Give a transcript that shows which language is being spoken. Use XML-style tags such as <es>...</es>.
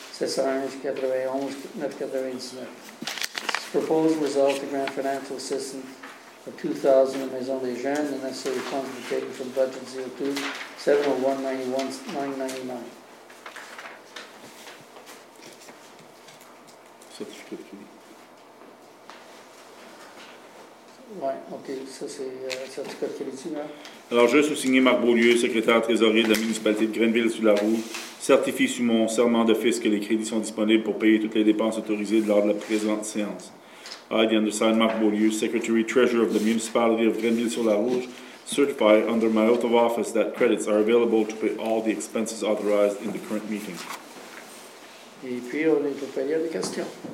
<en>601-91-999. This proposed result to grant financial assistance of $2,000 in Maison des Jeunes. The necessary funds will be taken from budget 02-701-91-999.</en> <fr>Alors, je soumets Marc Beaulieu, secrétaire trésorier de la municipalité de Grenville-sur-la-Rouge, certifie sous mon serment de fisc que les crédits sont disponibles pour payer toutes les dépenses autorisées lors de la présente séance.</fr> <en>I, the undersigned Marc Beaulieu, secretary treasurer of the municipality of Grenville-sur-la-Rouge, certify under my oath of office that credits are available to pay all the expenses authorized in the current meeting.</en> <fr>Et puis, on est pour payer les questions.</fr>